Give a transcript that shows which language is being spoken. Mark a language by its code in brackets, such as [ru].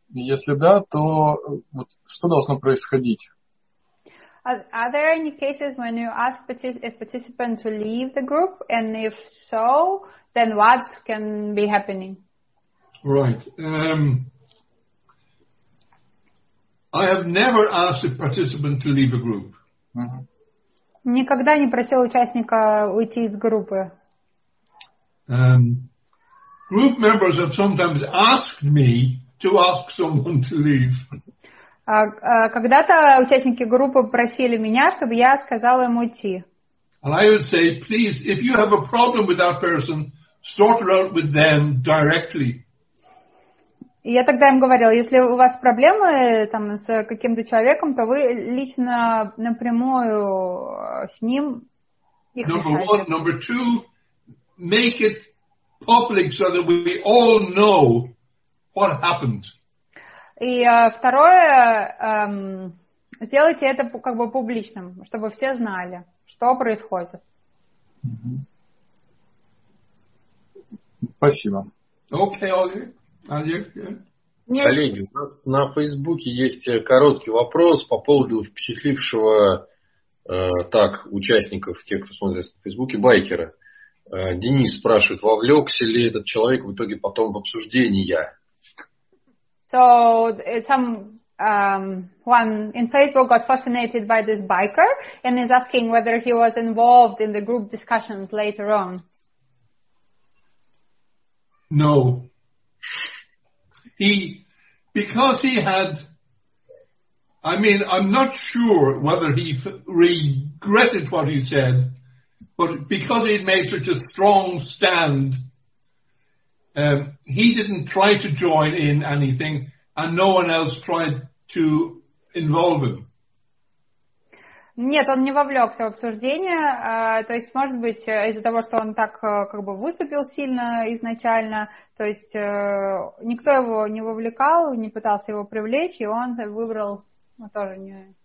[ru] Если да, то вот что должно происходить? [en] Are there any cases when you ask a participant to leave the group? And if so, then what can be happening? Right. I have never asked a participant to leave a group. [ru] Никогда не просил участника уйти из группы. [en] Group members have sometimes asked me to ask someone to leave. [ru] Когда-то участники группы просили меня, чтобы я сказала им уйти. [en] And I would say, please, if you have a problem with that person, sort it out with them directly. [ru] Я тогда им говорил, если у вас проблемы там с каким-то человеком, то вы лично напрямую с ним их. [en] Number one, number two, make it public so that we all know what happened. [ru] И второе, сделайте это как бы публичным, чтобы все знали, что происходит. Mm-hmm. Спасибо. [en] Okay, Олег. Yeah. Yes. [ru] Коллеги, у нас на Фейсбуке есть короткий вопрос по поводу впечатлившего так, участников, тех, кто смотрит в Фейсбуке, байкера. Денис спрашивает, вовлекся ли этот человек в итоге потом в обсуждения? [en] So, some one in Facebook got fascinated by this biker and is asking whether he was involved in the group discussions later on. No. He, because he had, I mean, I'm not sure whether he regretted what he said, but because he'd made such a strong stand, he didn't try to join in anything, and no one else tried to involve him. [ru] Нет, он не вовлекся в обсуждение, то есть, может быть, из-за того, что он так как бы выступил сильно изначально, то есть никто его не вовлекал, не пытался его привлечь, и он выбрал тоже не.